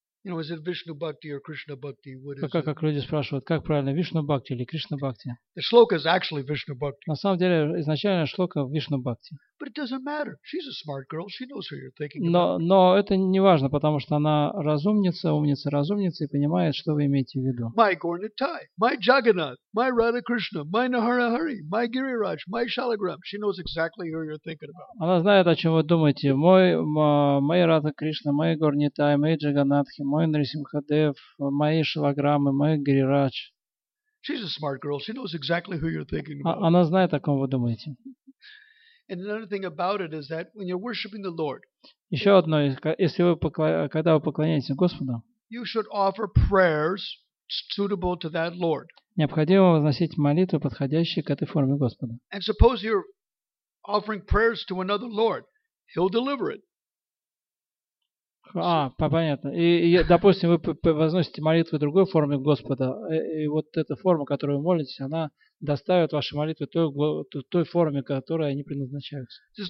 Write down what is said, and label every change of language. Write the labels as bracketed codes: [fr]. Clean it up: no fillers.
[en] You know, is it Vishnu Bhakti or Krishna Bhakti? What is it? [ru] Как люди спрашивают, как правильно, Вишну Бхакти или Кришна Бхакти? [en] The shloka is actually Vishnu Bhakti. [ru] На самом деле, изначально шлока Вишну Бхакти. [en] But it doesn't matter. She's a smart girl. She knows who you're thinking. [ru] Но это не важно, потому что она разумница, умница, разумница и понимает, что вы имеете в виду. [en] My Gornitai, my Jagannath, my Radha Krishna, my Naharahari, my Giriraj, my Shalagram. She knows exactly who you're thinking about. [ru] Она знает, о чем вы думаете. Мой Радха Кришна, мой Горнитай, мой Джаганатхи, мой Нарисимхадев, мои Шалаграммы, мой Гирирадж. [en] She's a smart girl. She knows exactly who you're thinking about. [ru] Она знает, о ком вы думаете. [en] And another thing about it is that when you're worshiping the Lord, [ru] еще одно, если вы когда вы поклоняетесь Господу, [en] you should offer prayers suitable to that Lord. [ru] Необходимо возносить молитвы, подходящие к этой форме Господа. [en] And suppose you're offering prayers to another Lord, He'll deliver it. [ru] Понятно. И, допустим, вы возносите молитвы другой форме Господа, и вот эта форма, которую вы молитесь, она доставит ваши молитвы той форме, которой они предназначаются.